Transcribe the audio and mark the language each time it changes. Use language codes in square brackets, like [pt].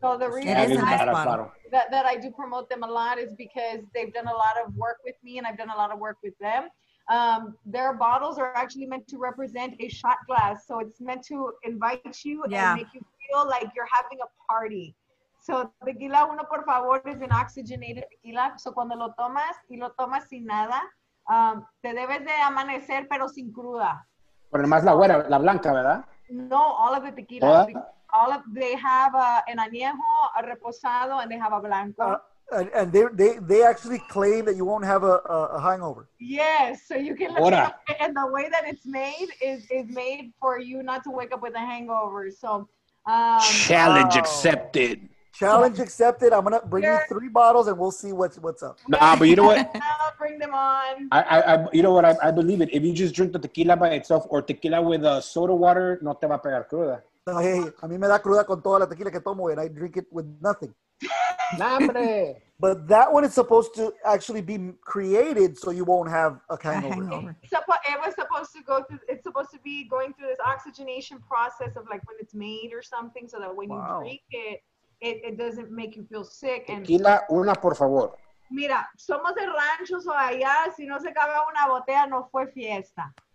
[en] So the reason that I do promote them a lot is because they've done a lot of work with me and I've done a lot of work with them. Their bottles are actually meant to represent a shot glass. So it's meant to invite you and make you feel like you're having a party. So Tequila Uno Por Favor is an oxygenated tequila. [es] So cuando lo tomas y lo tomas sin nada, te debes de amanecer pero sin cruda. Pero nomás la güera, la blanca, ¿verdad? [en] No, all of the tequila. [es] ¿Toda? [en] All of they have an añejo, a reposado, and they have a blanco. And they actually claim that you won't have a hangover. Yes, so you can look it up. And the way that it's made is made for you not to wake up with a hangover. So challenge accepted. Challenge accepted. I'm gonna bring you 3 bottles, and we'll see what's up. Nah, but you know what? I'll bring them on. I you know what? I believe it. If you just drink the tequila by itself or tequila with soda water, [es] no te va a pegar cruda. Hey, a mí me da cruda con toda la tequila que tomo, [en] and I drink it with nothing. [es] ¡Nambre! [en] But that one is supposed to actually be created so you won't have a hangover. It was supposed to go through, it's supposed to be going through this oxygenation process of like when it's made or something, so that when you drink it, it doesn't make you feel sick. [es] Tequila, una, por favor. Mira, somos de rancho, so allá, si no se caga una botella, no fue fiesta.